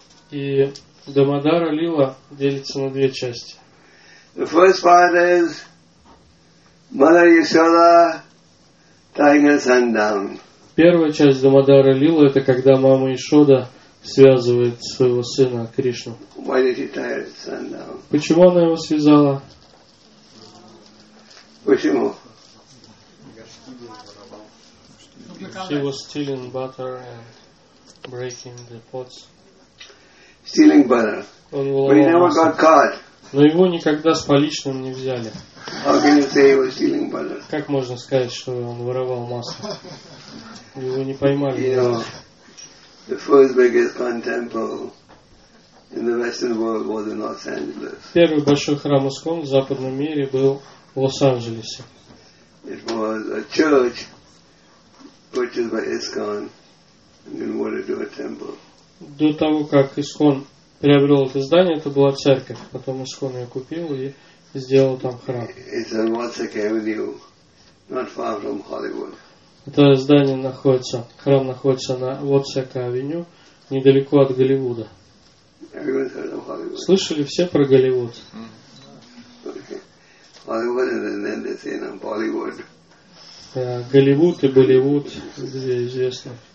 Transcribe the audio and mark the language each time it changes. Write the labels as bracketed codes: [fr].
[ru] И Дамодара лила делится на две части. [en] The first part is Mother Yashoda tying her son down. [ru] Первая часть Дамодара лила — это когда мама Ишода связывает своего сына Кришну. [en] Why did she tie her son down? [ru] Почему она его связала? Почему? [en] She was stealing butter and breaking the pots. Stealing butter. [ru] Он [en] But he never got caught. [ru] Но его никогда с поличным не взяли. [en] How can you say he was stealing butter? [ru] Как можно сказать, что он воровал масло? Его не поймали. [en] You know, the first biggest Khan temple in the Western world was in Los Angeles. [ru] Первый большой храм ИСККОН в западном мире был в Лос-Анджелесе. [en] It was a church purchased by ISKCON and converted to a temple. [ru] До того, как ИСККОН приобрел это здание, это была церковь. Потом ИСККОН ее купил и сделал там храм. [en] It's on Watsak Avenue, not far from Hollywood. [ru] Это здание находится, храм находится на Watsak Avenue, недалеко от Голливуда. [en] Everyone's heard of Hollywood. [ru] Слышали все про Голливуд? [en] Okay. Hollywood and then they say no, Bollywood. [ru] Голливуд и Болливуд, где известно.